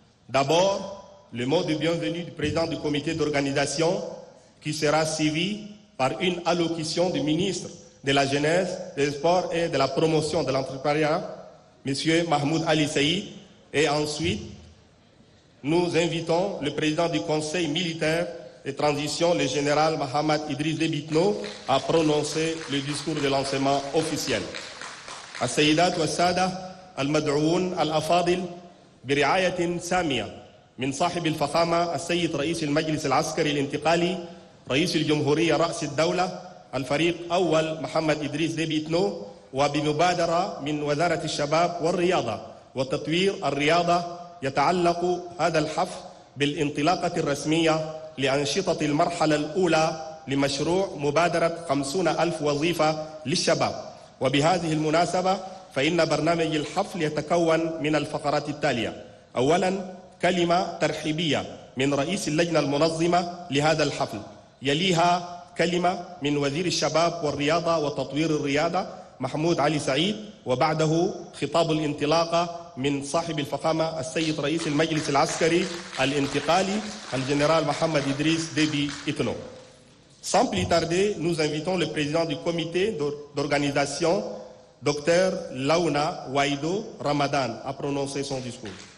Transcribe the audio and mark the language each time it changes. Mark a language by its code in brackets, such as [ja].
[fr] D'abord, le mot de bienvenue du président du comité d'organisation qui sera suivi par une allocution du ministre de la Jeunesse, des Sports et de la Promotion de l'Entrepreneuriat, M. Mahmoud Ali Saïd. Et ensuite, nous invitons le président du Conseil militaire et transition, le général Mohamed Idriss Déby Itno a prononcé le discours de lancement officiel. [ar] السيدات والسادة المدعوون الأفاضل برعاية سامية من صاحب الفخامة السيد رئيس المجلس العسكري الانتقالي رئيس الجمهورية رأس الدولة الفريق أول محمد إدريس ديبي إتنو وبمبادرة من وزارة الشباب والرياضة وتطوير الرياضة يتعلق هذا الحفل بالانطلاقة الرسمية لأنشطة المرحلة الأولى لمشروع مبادرة 50,000 وظيفة للشباب وبهذه المناسبة فإن برنامج الحفل يتكون من الفقرات التالية أولا كلمة ترحيبية من رئيس اللجنة المنظمة لهذا الحفل يليها كلمة من وزير الشباب والرياضة وتطوير الرياضة محمود علي سعيد وبعده خطاب الانطلاقة من صاحب الفخامة السيد رئيس المجلس العسكري الانتقالي الجنرال محمد إدريس ديبي إتنو. [fr] Sans plus tarder, nous invitons le président du comité d'organisation, Dr. Launa Waido Ramadan, à prononcer son discours.